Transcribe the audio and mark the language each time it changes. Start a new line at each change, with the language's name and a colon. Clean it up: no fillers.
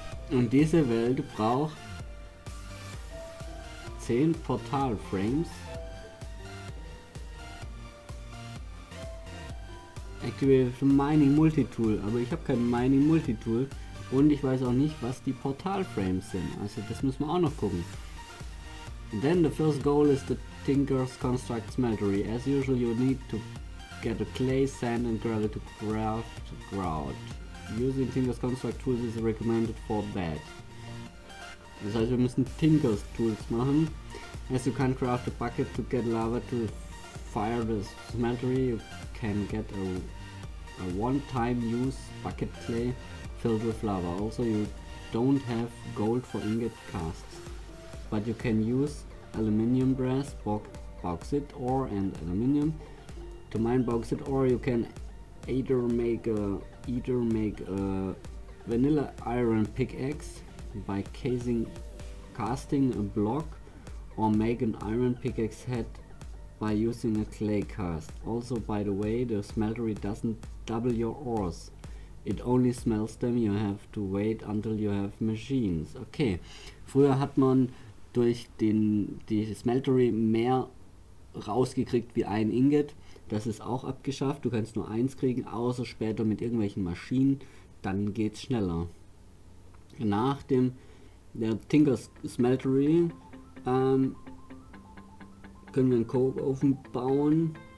German: Und diese Welt braucht 10 Portal Frames.
English: Activate Mining Multitool.
German: Aber ich habe kein Mining Multitool. Und ich weiß auch nicht, was die Portal Frames sind. Also, das müssen wir auch noch gucken.
English: Then the first goal is the Tinker's Construct Smeltery. As usual, you need to get a clay, sand and gravel to craft grout. Using Tinker's Construct Tools is recommended for that.
German: Das heißt, wir müssen Tinker's Tools machen.
English: As you can craft a bucket to get lava to fire the smeltery, you can get a one-time use bucket clay filled with lava. Also, you don't have gold for ingot casts, but you can use aluminium brass, bauxite ore and aluminium. To mine bauxite ore, you can either make a vanilla iron pickaxe by casting a block, or make an iron pickaxe head by using a clay cast. Also, by the way, the smeltery doesn't double your ores; it only smells them. You have to wait until you have machines.
German: Okay, früher hat man durch die smeltery mehr rausgekriegt wie ein Ingot. Das ist auch abgeschafft. Du kannst nur eins kriegen, außer später mit irgendwelchen Maschinen. Dann geht's schneller. Nach dem Tinker's Smeltery können wir einen Coke-Ofen bauen.